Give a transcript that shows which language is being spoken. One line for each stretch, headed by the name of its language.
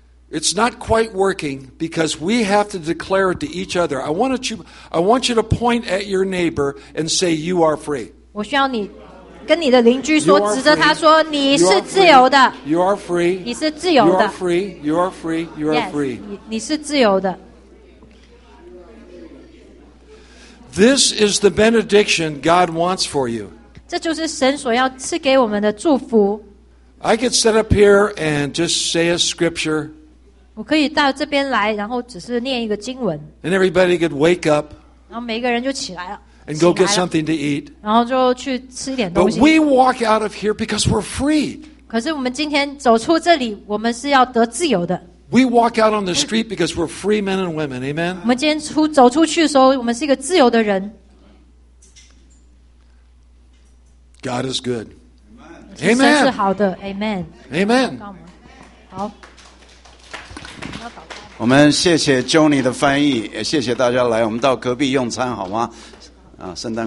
English: It's not quite working because we have to declare it to each other. I want you to point at your neighbor and say, "You are free."
Chinese: 我需要你跟你的邻居说，指着他说，你是自由的。
English: You are free.
Chinese: 你是自由的。
English: You are free. You are free. You are free.
Chinese: 你是自由的。
English: This is the benediction God wants for you.
Chinese: 这就是神所要赐给我们的祝福。
English: I could sit up here and just say a scripture.
Chinese: 我可以到这边来，然后只是念一个经文。
English: And everybody could wake up.
Chinese: 然后每个人就起来了。
English: And go get something to eat.
Chinese: 然后就去吃一点东西。
English: But we walk out of here because we're free.
Chinese: 可是我们今天走出这里，我们是要得自由的。
English: We walk out on the street because we're free men and women. Amen.
Chinese: 我们今天走出去的时候，我们是一个自由的人。
English: God is good.
Chinese: Amen. 神是好的。Amen.
English: Amen.
Chinese: 好。我们谢谢 Johnny 的翻译，也谢谢大家来，我们到隔壁用餐好吗？啊，圣诞。